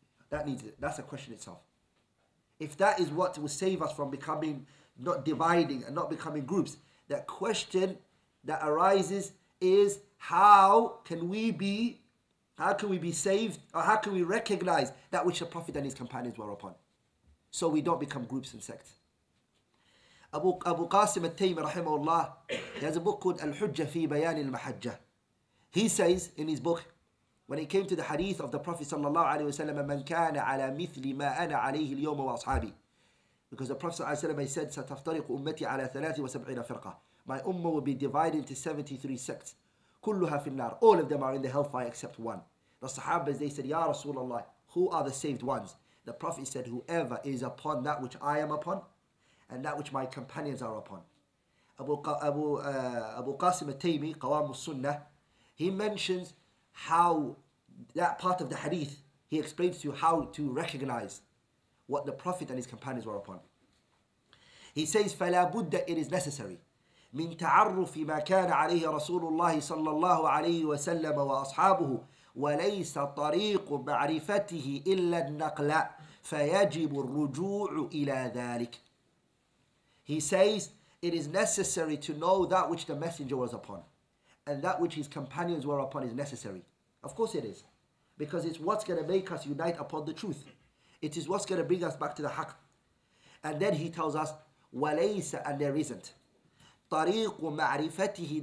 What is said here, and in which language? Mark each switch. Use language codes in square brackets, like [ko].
[en] That's a question itself. If that is what will save us from becoming not dividing and not becoming groups, that question that arises is how can we be saved? Or how can we recognize that which the Prophet and his companions were upon? So we don't become groups and sects. أبو قاسم التيمي رحمه الله he has a book called الحجة في بيان المحجة. He says in his book when it came to the hadith of the Prophet صلى الله عليه وسلم [ar] من كان على مثل ما أنا عليه اليوم وأصحابي. [en] Because the Prophet صلى الله عليه وسلم he said [ar] ستفترق أمتي على 73 فرقة. [en] My ummah will be divided into 73 sects. [ar] كلها في النار. [en] All of them are in the hellfire except one. The Sahabas, they said, Ya Rasulullah, who are the saved ones? The Prophet said, whoever is upon that which I am upon and that which my companions are upon. Abu Qasim al-Taymi, Qawam al-Sunnah, he mentions how that part of the hadith, he explains to you how to recognize what the Prophet and his companions were upon. He says, [ar] فَلَا بُدَّ [en] it is necessary. [ar] من تعرف ما كان عليه رسول الله صلى الله عليه وسلم وأصحابه وليس طريق معرفته إلا النقل فيجب الرجوع إلى ذلك. [en] He says it is necessary to know that which the messenger was upon and that which his companions were upon is necessary. Of course it is, because it's what's going to make us unite upon the truth. It is what's going to bring us back to the haqq. And then he tells us [ar] وليس [en] and there isn't [ar] طريق معرفته.